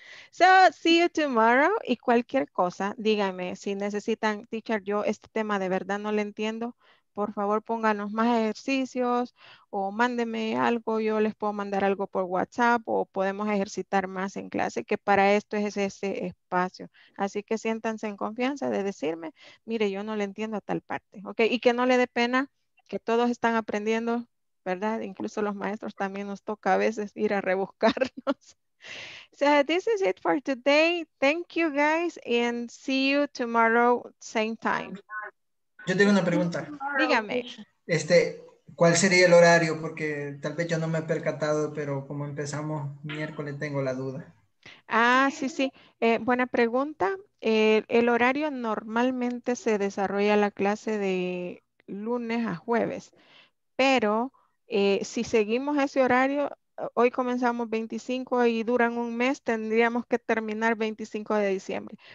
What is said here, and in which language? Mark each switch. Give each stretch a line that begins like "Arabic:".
English: So, see you tomorrow,
Spanish: y cualquier cosa, díganme, si necesitan, teacher, yo este tema de verdad no le entiendo, por favor pónganos más ejercicios o mándenme algo, yo les puedo mandar algo por WhatsApp o podemos ejercitar más en clase, que para esto es ese espacio. Así que siéntanse en confianza de decirme, mire, yo no le entiendo a tal parte. ¿Okay? Y que no le dé pena, que todos están aprendiendo, ¿verdad? Incluso los maestros también nos toca a veces ir a rebuscarnos.
English: So this is it for today. Thank you guys and see you tomorrow same time.
Spanish: Yo tengo una pregunta. Dígame. ¿Cuál sería el horario? Porque tal vez yo no me he percatado, pero como empezamos miércoles, tengo la duda. Ah, sí, sí. Buena pregunta. El horario normalmente se desarrolla la clase de lunes a jueves, pero si seguimos ese horario, hoy comenzamos 25 y duran un mes, tendríamos que terminar 25 de diciembre.